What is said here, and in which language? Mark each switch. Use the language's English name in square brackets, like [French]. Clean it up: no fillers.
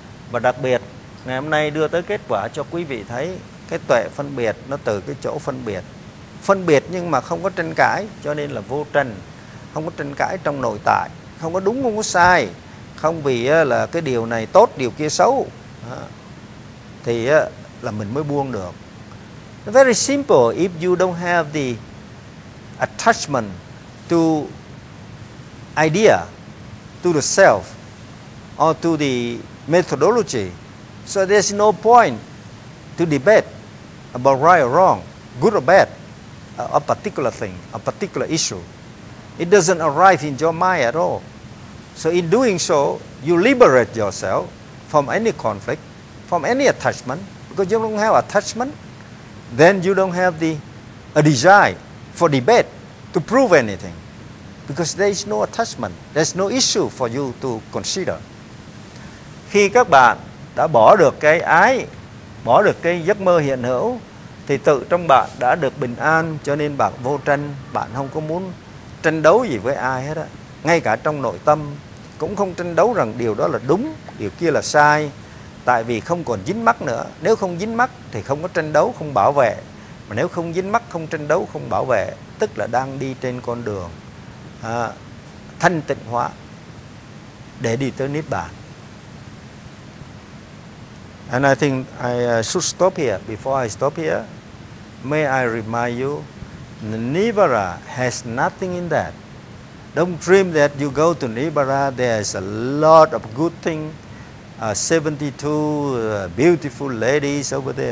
[Vietnamese] Và đặc biệt, ngày hôm nay đưa tới kết quả cho quý vị thấy cái tuệ phân biệt nó từ cái chỗ phân biệt. Phân biệt nhưng mà không có tranh cãi, cho nên là vô tranh. Không có tranh cãi trong nội tại, không có đúng, không có sai. Không vì là cái điều này tốt, điều kia xấu. Thì là mình mới buông được. [English] Very simple, if you don't have the attachment to idea, to the self, or to the methodology, so there's no point to debate about right or wrong, good or bad, a particular thing, a particular issue. It doesn't arrive in your mind at all. So in doing so, you liberate yourself from any conflict, from any attachment, because you don't have attachment, then you don't have a desire for debate to prove anything, because there is no attachment, there's no issue for you to consider. [Vietnamese] Khi các bạn đã bỏ được cái ái, bỏ được cái giấc mơ hiện hữu, thì tự trong bạn đã được bình an, cho nên bạn vô tranh, bạn không có muốn tranh đấu gì với ai hết á. Ngay cả trong nội tâm cũng không tranh đấu rằng điều đó là đúng, điều kia là sai, tại vì không còn dính mắc nữa. Nếu không dính mắc thì không có tranh đấu, không bảo vệ. Mà nếu không dính mắc, không tranh đấu, không bảo vệ, tức là đang đi trên con đường thanh tịnh hóa để đi tới Niết Bàn. [English] And I think I should stop here. Before I stop here, may I remind you, Nibbara has nothing in that. Don't dream that you go to Nibbara, there's a lot of good thing. 72 beautiful ladies over there.